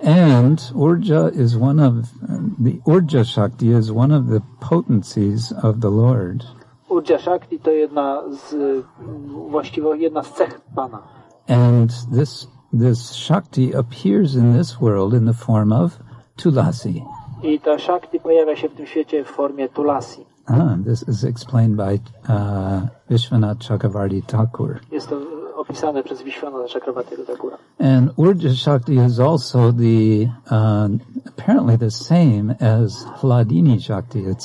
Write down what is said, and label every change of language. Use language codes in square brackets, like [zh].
[en] And urja is one of the urja shakti is one of the potencies of the Lord. [pl] Urja shakti to jedna z jedna z cech Pana. [en] And this shakti appears in this world in the form of tulasi. [pl] I ta shakti pojawia się w tym świecie w formie tulasi. [en] Ah, this is explained by Vishwanath Chakravarti Thakur. [pl] Jest to opisane przez Vishwana Chakravarti Thakura. [en] And Urja Shakti is also the apparently the same as Hladini Shakti.